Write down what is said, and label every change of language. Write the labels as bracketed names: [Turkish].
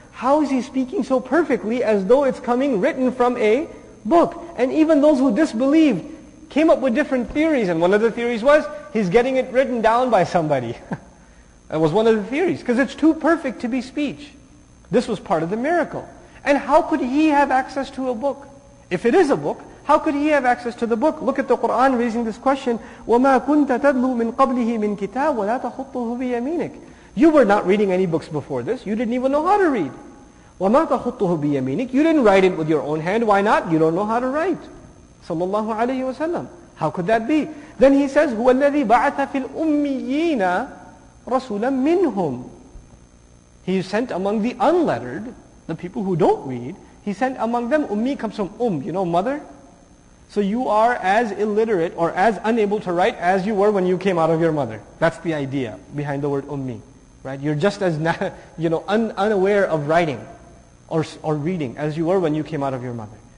[English] How is he speaking so perfectly as though it's coming written from a book? And even those who disbelieved came up with different theories. And one of the theories was, he's getting it written down by somebody. That was one of the theories, because it's too perfect to be speech. This was part of the miracle. And how could he have access to a book? If it is a book, how could he have access to the book? Look at the Qur'an raising this question, [Arabic] وَمَا كُنْتَ تَدْلُو مِنْ قَبْلِهِ مِنْ كِتَابٍ وَلَا تَخُطُّهُ بِيَمِينِكَ. [English] You were not reading any books before this. You didn't even know how to read. [Arabic] وَمَا تَخُطُّهُ بِيَمِينِكَ. [English] You didn't write it with your own hand. Why not? You don't know how to write. [Arabic] صَلَّى اللَّهُ عَلَيْهِ وَسَلَّمُ. [English] How could that be? Then he says, [Arabic] هُوَ الَّذِي بَعَثَ فِي الْأُمِّيِّينَ رَسُولًا مِّنْهُمْ. [English] He is sent among the unlettered, the people who don't read. He sent among them, ummi comes from you know, mother. So you are as illiterate or as unable to write as you were when you came out of your mother. That's the idea behind the word ummi. Right? You're just as, you know, unaware of writing or reading as you were when you came out of your mother.